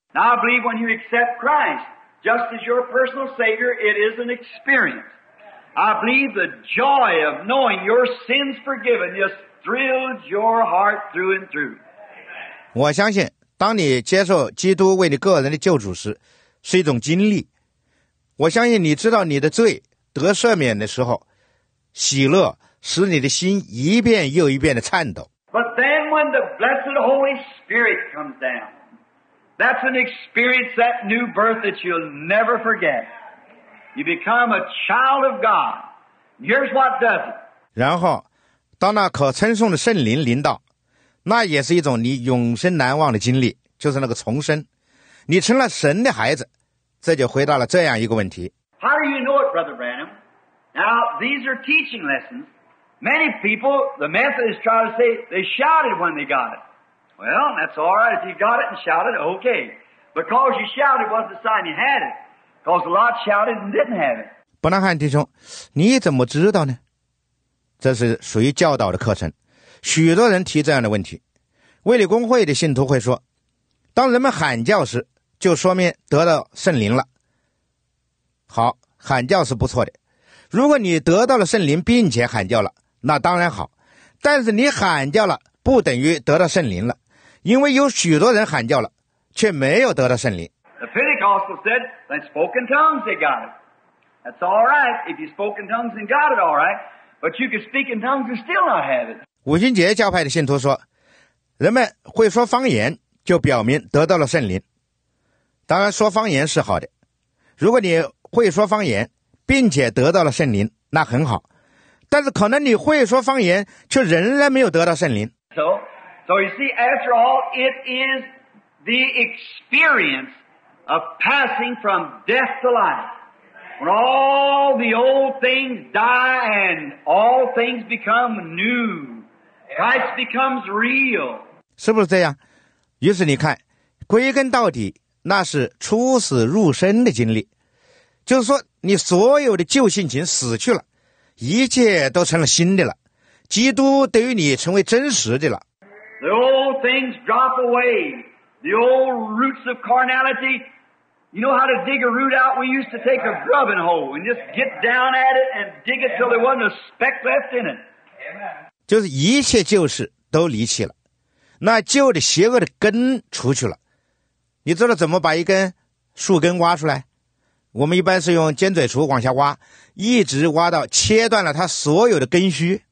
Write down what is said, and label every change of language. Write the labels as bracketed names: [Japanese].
[English] Now I believe when you accept Christ,Just as your personal Savior, it is an experience. I believe the joy of knowing your sins forgiven just thrills your heart through and through. [Chinese] 我相信，当你接受基督为你个人的救主时，是一种经历。我相信你知道你的罪得赦免的时候，喜乐使你的心一遍又一遍的颤抖。 [English] But then when the blessed Holy Spirit comes down,That's an experience, that new birth that you'll never forget. You become a child of God. Here's what does it. [Chinese] 然后，当那可称颂的圣灵临到，那也是一种你永生难忘的经历，就是那个重生。你成了神的孩子，这就回答了这样一个问题。 [English] How do you know it, Brother Branham? Now, these are teaching lessons. Many people, the Methodists try to say, they shouted when they got it. Well, that's all right. If you got it and shouted, okay. Because you shouted wasn't a sign you had it. Because a lot shouted and didn't have it. [Chinese] 伯南汉弟兄，你怎么知道呢？这是属于教导的课程。许多人提这样的问题。卫理公会的信徒会说，当人们喊叫时，就说明得到圣灵了。好，喊叫是不错的。如果你得到了圣灵并且喊叫了，那当然好。但是你喊叫了不等于得到圣灵了，因为有许多人喊叫了，却没有得到圣灵。 [English] The Pentecostal said, when spoke in tongues, they got it. That's all right, if you spoke in tongues and got it, all right. But you could speak in tongues and still not have it. [Chinese] 五旬节教派的信徒说，人们会说方言，就表明得到了圣灵。当然，说方言是好的。如果你会说方言，并且得到了圣灵，那很好。但是可能你会说方言，却仍然没有得到圣灵。 [English] So you see, after all, it is the experience of passing from death to life. When all the old things die and all things become new, Christ becomes real. [Chinese] 是不是这样？于是你看，归根到底，那是出死入生的经历，就是说，你所有的旧性情死去了。一切都成了新的了，基督对于你成为真实的了。 [English] The old things drop away, the old roots of carnality. You know how to dig a root out? We used to take a grubbing hole and just get down at it and dig it till there wasn't a speck left in it. [Chinese] 就是一切旧事都离弃了，那旧的邪恶的根除去了。你知道怎么把一根树根挖出来？我们一般是用尖嘴锄往下挖，一直挖到切断了它所有的根须。